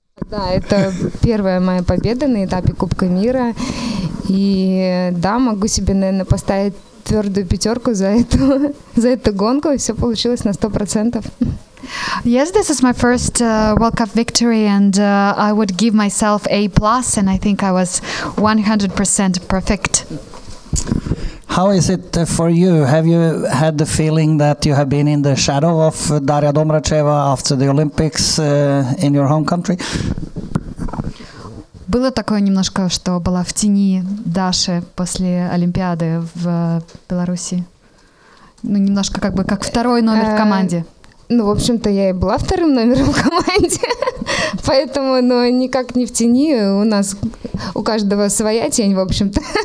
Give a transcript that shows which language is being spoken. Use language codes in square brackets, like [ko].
[ru] Да, это первая моя победа на этапе Кубка мира. И да, могу себе, наверное, поставить твердую пятерку за эту гонку. Все получилось на 100%. [en] Yes, this is my first World Cup victory, and I would give myself A+, and I think I was 100% perfect. How is it for you? Have you had the feeling that you have been in the shadow of Daria Domracheva after the Olympics in your home country? [ru] Было такое немножко, что была в тени Даши после Олимпиады в Беларуси. Ну, немножко как бы как второй номер в команде. Ну, в общем-то, я и была вторым номером в команде, поэтому, ну, никак не в тени, у нас у каждого своя тень, в общем-то.